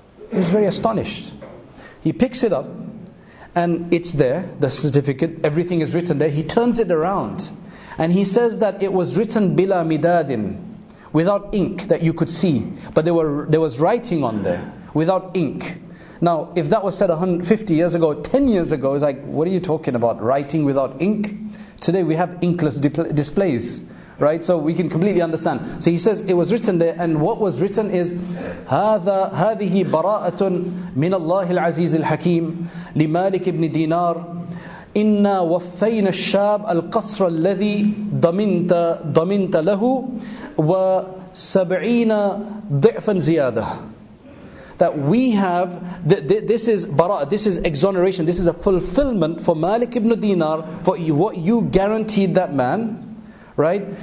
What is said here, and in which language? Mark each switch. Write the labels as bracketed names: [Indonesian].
[English] He was very astonished. He picks it up, and it's there, the certificate, everything is written there. He turns it around, and he says that it was written [Arabic] bila midadin, [English] without ink that you could see, but there was writing on there without ink. Now, if that was said 150 years ago, 10 years ago, it's like, what are you talking about? Writing without ink? Today we have inkless displays, right? So we can completely understand. So he says it was written there, and what was written is, [Arabic] هَذِهِ بَرَاءَةٌ مِنَ اللَّهِ الْعَزِيزِ الْحَكِيمِ لِمَالِكِ ابْنِ دِينَارِ إِنَّا وَفَّيْنَ الشَّابَ الْقَصْرَ الَّذِي ضَمِنْتَ لَهُ وَسَبْعِينَ ضِعْفًا زِيَادَةً. [English] That we have, this is bara'ah, this is exoneration, this is a fulfillment for Malik ibn Dinar, for what you guaranteed that man, right?